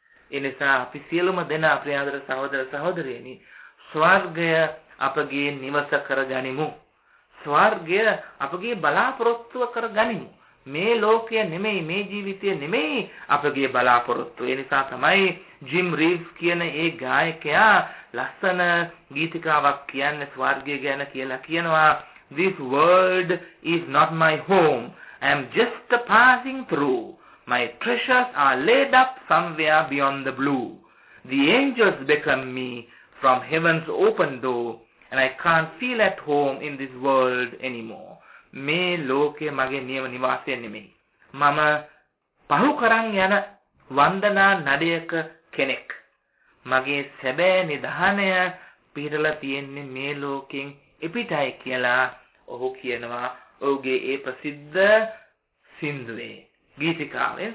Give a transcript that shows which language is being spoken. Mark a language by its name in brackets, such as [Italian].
[Sinhala] එනිසා අපි සියලුම දෙනා ප්‍රියදර සහෝදර සහෝදරයනි, ස්වර්ගය අපගේ නිවස කරගනිමු, ස්වර්ගය අපගේ බලාපොරොත්තුව කරගනිමු. මේ ලෝකය නෙමෙයි, මේ ජීවිතය නෙමෙයි අපගේ බලාපොරොත්තුව. එනිසා තමයි ජිම් රීව්ස් කියන ඒ ගායකයා ලස්සන ගීතිකාවක් කියන්නේ ස්වර්ගය ගැන කියලා. කියනවා, [English] This world is not my home. I am just a passing through. My treasures are laid up somewhere beyond the blue. The angels beckon me from heaven's open door, and I can't feel at home in this world anymore. [Sinhala] මේ ලෝකයේ මගේ නියම නිවාසය නෙමෙයි. මම පහු කරන් යන වන්දනා නඩයක කෙනෙක්. මගේ සැබෑ නිධානය පිරලා තියෙන්නේ මේ ලෝකෙන් එපිටයි කියලා ඔහු කියනවා ඔහුගේ ඒ ප්‍රසිද්ධ සින්දුවේ ගීතිකාවෙන්.